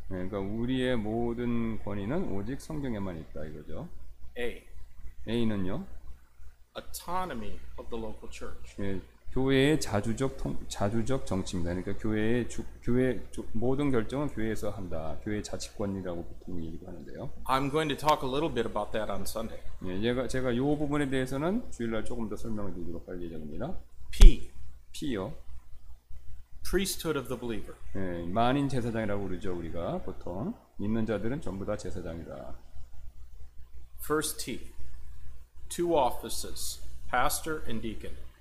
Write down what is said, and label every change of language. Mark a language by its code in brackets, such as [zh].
[ko] 네, 그러니까 우리의 모든 권위는 오직 성경에만 있다 이거죠. [en] A. [ko] A는요? [en] Autonomy of the local church. [ko] 네, 교회의 자주적 정치입니다. 그러니까 모든 결정은 교회에서 한다. 교회 자치권이라고 보통 얘기를 하는데요. [en] I'm going to talk a little bit about that on Sunday. [ko] 네, 제가 이 부분에 대해서는 주일날 조금 더 설명을 드리도록 할 예정입니다. [en] P. [ko] P요. [en] Priesthood of the believer. [ko] 예, 만인 제사장이라고 그러죠 우리가 보통 믿는 자들은 전부 다 제사장이다. [en] First T, two offices, pastor and deacon.